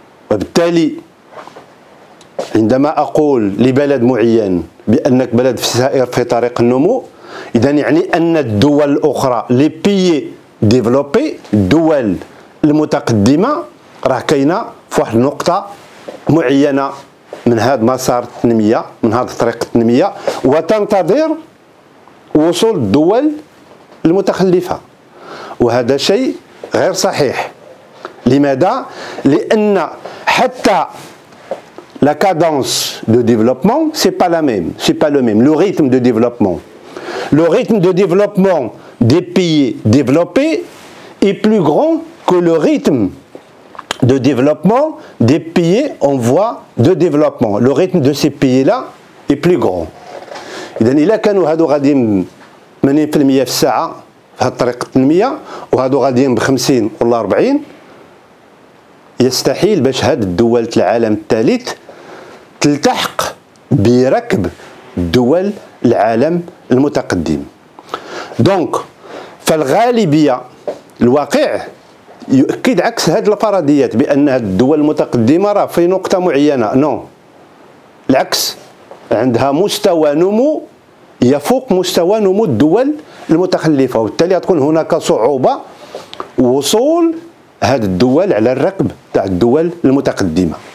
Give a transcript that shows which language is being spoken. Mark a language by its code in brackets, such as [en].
[ar] وبالتالي عندما أقول لبلد معين بأنك بلد سائر في طريق النمو، إذن يعني أن الدول الأخرى لي [fr] بيي ديفلوبي [ar] الدول المتقدمة راه كاينة في واحد النقطة معينة من هذا مسار التنمية، من هذا طريق التنمية، وتنتظر وصول الدول المتخلفة. وهذا شيء غير صحيح. لماذا؟ لأن حتى [fr] la cadence de développement, c'est pas la même, c'est pas le même. Le rythme de développement, le rythme de développement des pays développés est plus grand que le rythme de développement des pays en voie de développement. Le rythme de ces pays-là est plus grand. Et donc, il y a quand nous avons dit mener le milieu de ça, la trajectoire, ou nous avons dit 50 ou 40, [ar] يستحيل باش هاد الدول تاع العالم الثالث تلتحق بركب دول العالم المتقدم. دونك فالغالبيه الواقع يؤكد عكس هذه الفرضيات بان هذه الدول المتقدمه راه في نقطه معينه، نو العكس، عندها مستوى نمو يفوق مستوى نمو الدول المتخلفه، وبالتالي تكون هناك صعوبه وصول هذه الدول على الركب تاع الدول المتقدمه.